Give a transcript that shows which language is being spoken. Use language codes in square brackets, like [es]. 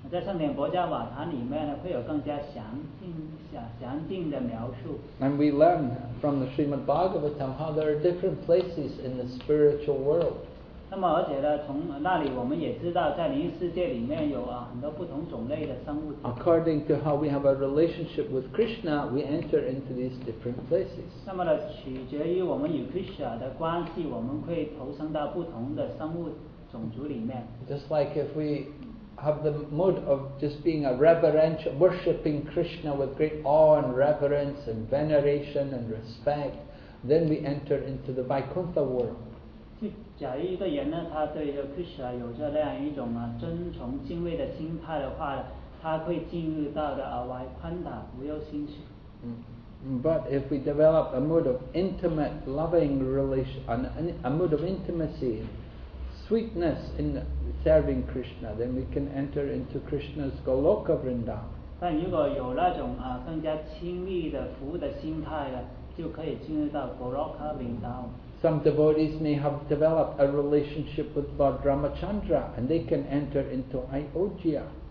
[zh] 在《上典佛教瓦坛》里面呢，会有更加详尽的描述。 [en] And we learn from the Srimad Bhagavatam how there are different places in the spiritual world. [zh] 那么而且呢从那里我们也知道在灵世界里面有很多不同种类的生物。 [en] According to how we have a relationship with Krishna, we enter into these different places. [zh] 那么呢取决于我们与 Krishna 的关系我们会投生到不同的生物种族里面。 [en] Just like if we have the mood of just being a reverential, worshipping Krishna with great awe and reverence and veneration and respect, then we enter into the Vaikuntha world. [zh] 假如一个人呢，他对这 Krishna 有着那样一种啊尊崇敬畏的心态的话，他会进入到的啊Vaikuntha无忧心事。 [en] But if we develop a mood of intimate loving relation, a mood of intimacy, sweetness in serving Krishna, then we can enter into Krishna's Goloka Vrindavan. [zh] 但如果有那种啊更加亲密的服务的心态呢，就可以进入到 Goloka Vrindavan。 [en] Some devotees may have developed a relationship with Lord Ramachandra and they can enter into Ayodhya.